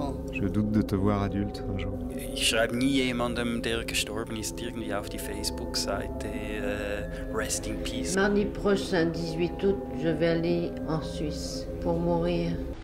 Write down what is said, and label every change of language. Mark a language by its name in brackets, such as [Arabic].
[French] Je doute de te voir adulte un jour. [German] Ich schreibe nie jemandem, der gestorben ist, irgendwie auf die Facebook-Seite [English] Rest in Peace. [French] Mardi prochain, 18 août, je vais aller en Suisse pour mourir.